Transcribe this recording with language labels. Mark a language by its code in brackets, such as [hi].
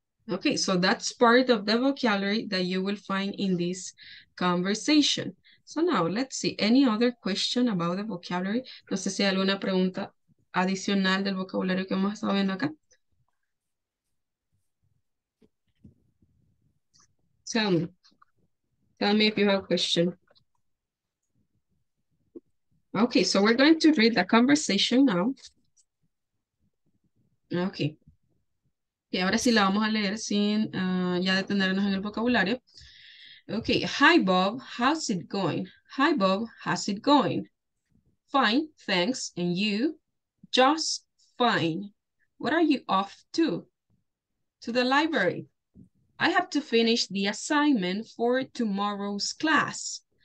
[en] Okay, so that's part of the vocabulary that you will find in this conversation. So now, let's see, any other question about the vocabulary? [es] No sé si hay alguna pregunta adicional del vocabulario que hemos estado viendo acá. [en] Tell me if you have a question. Okay, so we're going to read the conversation now. Okay. [es] Y ahora sí la vamos a leer sin ya detenernos en el vocabulario. [en] Okay, hi Bob, how's it going? Hi Bob, how's it going? Fine, thanks, and you? Just Fine. What are you off to? To the library. I have to finish the assignment for tomorrow's class.